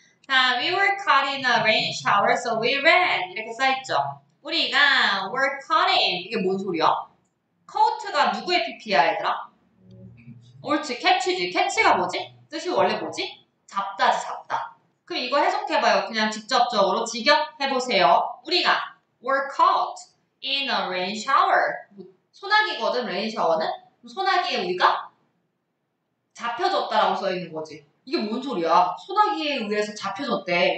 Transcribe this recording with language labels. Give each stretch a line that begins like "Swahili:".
English: 자, we were caught in a rain shower, so we ran.
Korean: 이렇게 써있죠. 우리가
English: were caught in.
Korean: 이게 뭔 소리야? caught가 누구의 PP야, 얘들아? 옳지. catch지. catch가 뭐지? 뜻이 원래 뭐지? 잡다지, 잡다. 그럼 이거 해석해봐요. 그냥 직접적으로 직역해보세요. 우리가
English: were caught in a rain shower.
Korean: 소나기거든, rain shower는? 소나기에 우리가? 잡혀졌다라고 써있는 거지. 이게 뭔 소리야? 소나기에 의해서 잡혀졌대.